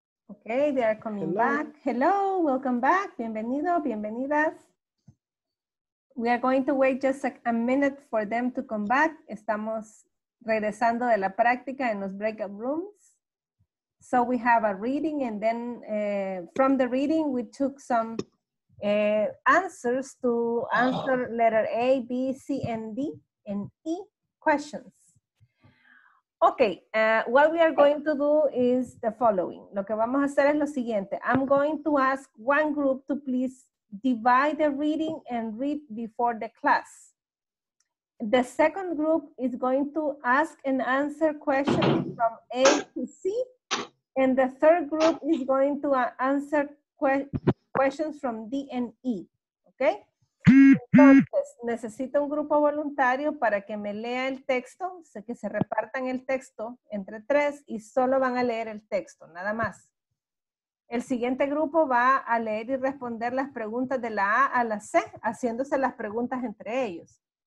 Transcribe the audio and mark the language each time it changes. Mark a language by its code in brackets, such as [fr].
[en] Okay, they are coming Hello. Back. Hello, welcome back. [es] Bienvenido, bienvenidas. [en] We are going to wait just a minute for them to come back. [es] Estamos regresando de la práctica en los breakout rooms. [en] So we have a reading and then from the reading we took some answers to answer letter A, B, C, and D and E questions. Okay, what we are going to do is the following. [es] Lo que vamos a hacer es lo siguiente. [en] I'm going to ask one group to please divide the reading and read before the class. The second group is going to ask and answer questions from A to C. And the third group is going to answer questions from D and E. Okay? [es] Entonces, necesito un grupo voluntario para que me lea el texto, sé que se repartan el texto entre tres y solo van a leer el texto, nada más. El siguiente grupo va a leer y responder las preguntas de la A a la C, haciéndose las preguntas entre ellos.